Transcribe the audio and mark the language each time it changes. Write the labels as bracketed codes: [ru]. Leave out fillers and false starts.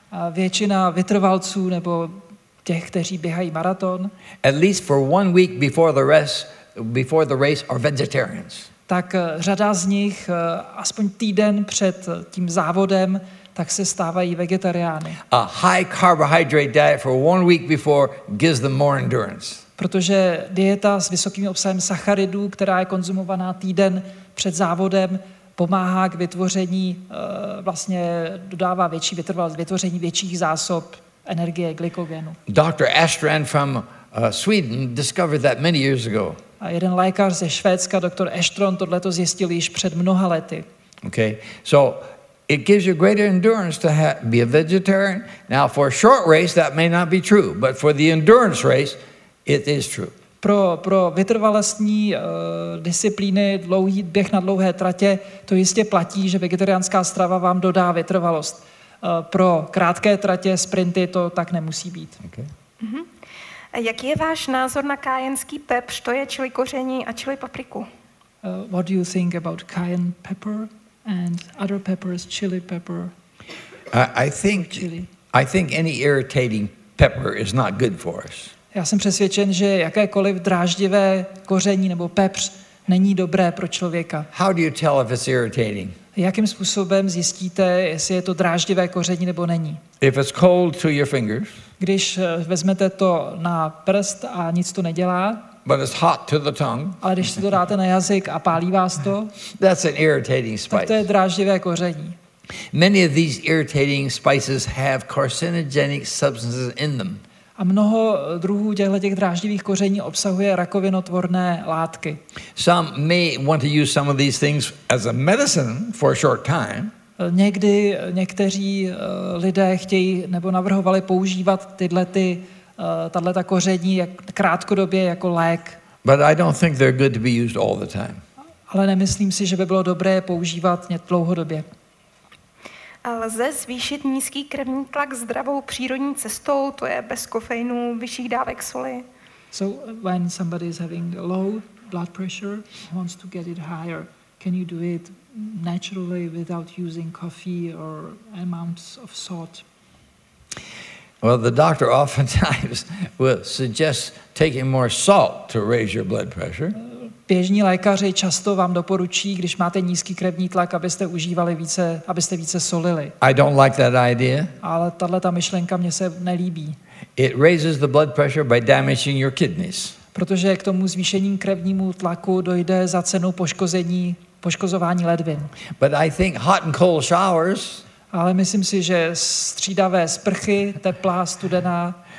[cs] Většina vytrvalců nebo těch, kteří běhají maraton. [en] At least for one week before the race are vegetarians. [cs] Tak řada z nich aspoň týden před tím závodem tak se stávají vegetariány. [en] A high carbohydrate diet for one week before gives them more endurance. [cs] Protože dieta s vysokým obsahem sacharidů, která je konzumovaná týden před závodem, pomáhá k vytvoření, vlastně dodává větší vytrvalost, vytvoření větších zásob energie, glykogenu. [en] Dr. Astrand from Sweden discovered that many years ago. [cs] A jeden lékař ze Švédska, Dr. Astrand, tohleto zjistil již před mnoha lety. [en] Okay, so it gives you greater endurance to be a vegetarian. Now for a short race that may not be true, but for the endurance race it is true. [cs] Pro vytrvalostní disciplíny, dlouhý běh na dlouhé tratě, to jistě platí, že vegetariánská strava vám dodá vytrvalost. Pro krátké tratě, sprinty, to tak nemusí být. Okay. Mm-hmm. Jaký je váš názor na kájenský pepř, to je čili koření a čili papriku? [en] What do you think about cayenne pepper and other peppers, chili pepper? I think any irritating pepper is not good for us. [cs] Já jsem přesvědčen, že jakékoliv dráždivé koření nebo pepř není dobré pro člověka. [en] How do you tell if it's irritating? [cs] Jakým způsobem zjistíte, jestli je to dráždivé koření nebo není? [en] If it's cold to your fingers. [cs] Když vezmete to na prst a nic to nedělá. [en] But it's hot to the tongue. [cs] Ale když si to dáte na jazyk a pálí vás to. [en] That's an irritating spice. [cs] Tak to je dráždivé koření. [en] Many of these irritating spices have carcinogenic substances in them. [cs] A mnoho druhů těch dráždivých koření obsahuje rakovinotvorné látky. [en] Some may want to use some of these things as a medicine for a short time. [cs] Někdy někteří lidé chtějí nebo navrhovali používat tato koření jak krátkodobě jako lék. [en] But I don't think they're good to be used all the time. [cs] Ale nemyslím si, že by bylo dobré používat ně dlouhodobě. Lze zvýšit nízký krevní tlak zdravou přírodní cestou, to je bez kofeinu, vyšších dávek soli. [en] So when somebody is having low blood pressure, wants to get it higher, can you do it naturally without using coffee or amounts of salt? Well, the doctor oftentimes will suggest taking more salt to raise your blood pressure. [cs] Běžní lékaři často vám doporučí, když máte nízký krevní tlak, abyste užívali více, abyste více solili. [en] I don't like that idea. [cs] Ale tato myšlenka mě se nelíbí. [en] It raises the blood pressure by damaging your kidneys. [cs] Protože k tomu zvýšení krevnímu tlaku dojde za cenu poškozování ledvin. [en] But I think hot and cold showers. [cs] Ale myslím si, že střídavé sprchy, teplá, studená.